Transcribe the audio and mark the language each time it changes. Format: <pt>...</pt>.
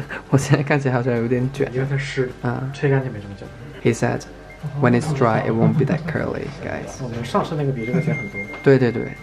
<zh>我现在看起来好像有点卷。有点湿。啊，吹干净没这么卷。</zh> <en>He said, when it's dry, it won't be that curly, guys.</en> <zh>上次那个比这个卷很多。对对对。</zh>